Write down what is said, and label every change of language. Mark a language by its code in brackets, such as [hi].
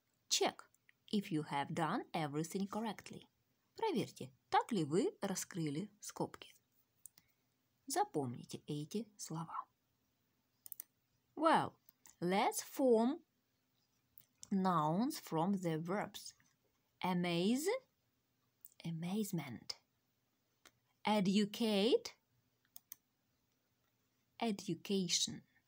[en] Check if you have done everything correctly. [ru] Проверьте, так ли вы раскрыли скобки. Запомните эти слова. [en] Well, let's form nouns from the verbs. Amaze, amazement. Educate, education.